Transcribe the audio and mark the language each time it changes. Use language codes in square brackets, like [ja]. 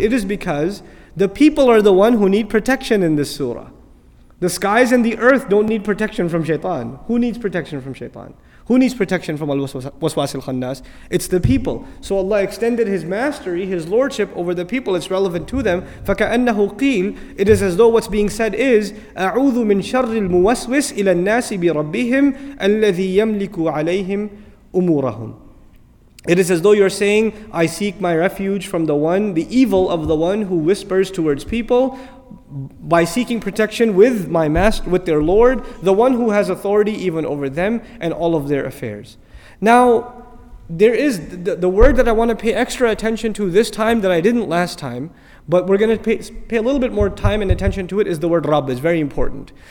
[en] It is because the people are the one who need protection in this surah. The skies and the earth don't need protection from shaitan. Who needs protection from shaitan? Who needs protection from al-waswas al-khannas? It's the people. So Allah extended His mastery, His lordship over the people. It's relevant to them. [ar] فَكَأَنَّهُ قِيلَ. [en] It is as though what's being said is, [ar] أَعُوذُ مِنْ شَرِّ الْمُوَسْوِسِ إِلَى النَّاسِ بِرَبِّهِمْ الَّذِي يَمْلِكُ عَلَيْهِمْ أُمُورَهُمْ. [en] It is as though you're saying, I seek my refuge from the one, the evil of the one who whispers towards people, by seeking protection with my master, with their Lord, the one who has authority even over them and all of their affairs. Now, there is the word that I want to pay extra attention to this time that I didn't last time, but we're going to pay a little bit more time and attention to it, is the word Rabb. It's very important.